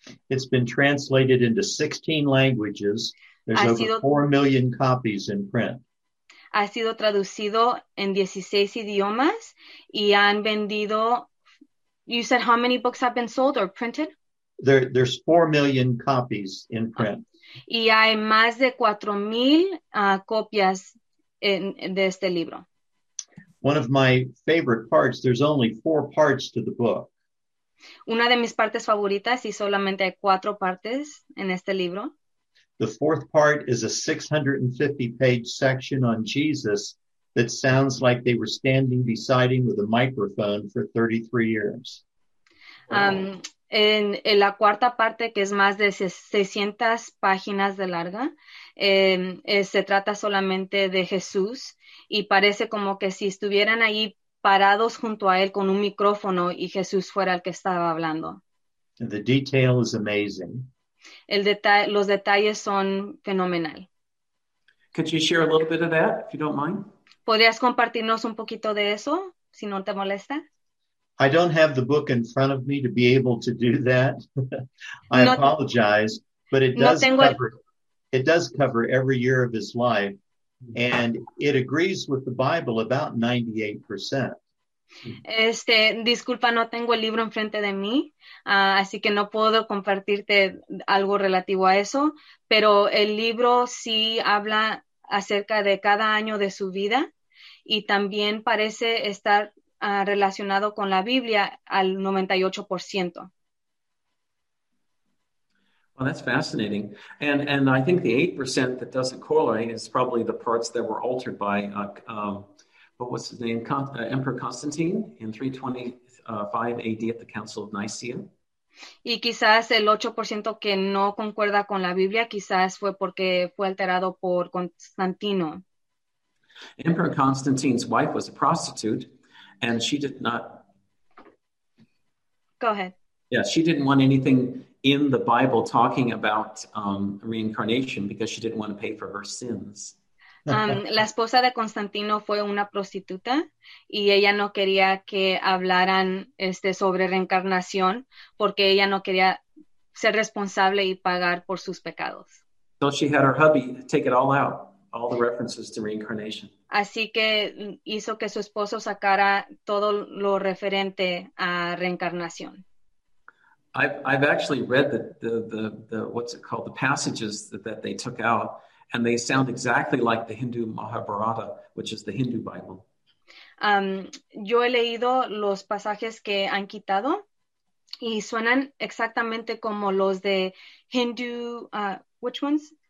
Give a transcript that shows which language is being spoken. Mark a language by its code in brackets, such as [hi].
[en] It's been translated into 16 languages. There's over 4 million copies in print. [es] Ha sido traducido en 16 idiomas y han vendido. [en] You said how many books have been sold or printed? There's 4 million copies in print. [es] Y hay más de 4,000 copias de este libro. [en] One of my favorite parts, there's only 4 parts to the book. [es] Una de mis partes favoritas y solamente hay 4 partes en este libro. [en] The fourth part is a 650-page section on Jesus that sounds like they were standing beside him with a microphone for 33 years. [es] En la cuarta parte, que es más de 600 páginas de larga, se trata solamente de Jesús y parece como que si estuvieran ahí parados junto a él con un micrófono y Jesús fuera el que estaba hablando. [en] And the detail is amazing. [es] Los detalles son fenomenal. [en] Could you share a little bit of that, if you don't mind? [es] ¿Podrías compartirnos un poquito de eso, si no te molesta? [en] I don't have the book in front of me to be able to do that. I apologize, but it does cover every year of his life, and it agrees with the Bible about 98%. [es] Disculpa, no tengo el libro enfrente de mí, así que no puedo compartirte algo relativo a eso, pero el libro sí habla acerca de cada año de su vida y también parece estar relacionado con la Biblia al 98%. [en] Well, that's fascinating. And I think the 8% that doesn't correlate is probably the parts that were altered by... what was his name? Emperor Constantine in 325 AD at the Council of Nicaea. [es] Y quizás el 8% que no concuerda con la Biblia, quizás fue porque fue alterado por Constantino. [en] Emperor Constantine's wife was a prostitute, and she did not... Go ahead. Yeah, she didn't want anything in the Bible talking about reincarnation because she didn't want to pay for her sins. [es] La esposa de Constantino fue una prostituta y ella no quería que hablaran sobre reencarnación porque ella no quería ser responsable y pagar por sus pecados. [en] So she had her hubby take it all out, all the references to reincarnation. [es] Así que hizo que su esposo sacara todo lo referente a reencarnación. [en] I've actually read the what's it called, the passages that they took out, and they sound exactly like the Hindu Mahabharata, which is the Hindu Bible. [es] Yo he leído los pasajes que han quitado y suenan exactamente como los de Hindu, [en] which ones?